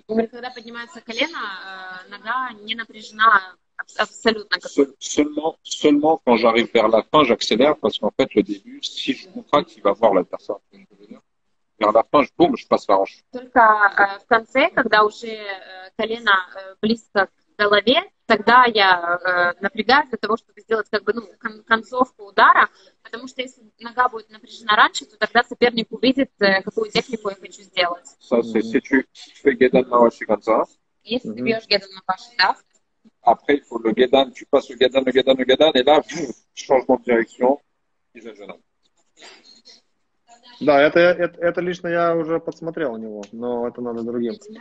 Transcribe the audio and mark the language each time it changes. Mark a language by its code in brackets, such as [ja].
[ru] Когда поднимается колено, нога не напряжена абсолютно. [fr] Seulement quand j'arrive vers la fin, j'accélère parce qu'en fait le début, si je contracte, il va voir la personne. Vers la fin, boum, je passe la hanche. [ru] Только в конце, когда уже колено близко к голове. Тогда я напрягаю для того, чтобы сделать как бы ну концовку удара, потому что если нога будет напряжена раньше, то тогда соперник увидит, какую технику я хочу сделать. Если ты гедан на ваши конца. Если ты бьешь гедан на ваши, да. [fr] Après, il faut le gedan, tu passes le gedan, le gedan, et là, changement de direction, exagérant. [ru] Да, это лично я уже подсмотрел у него, но это надо другим.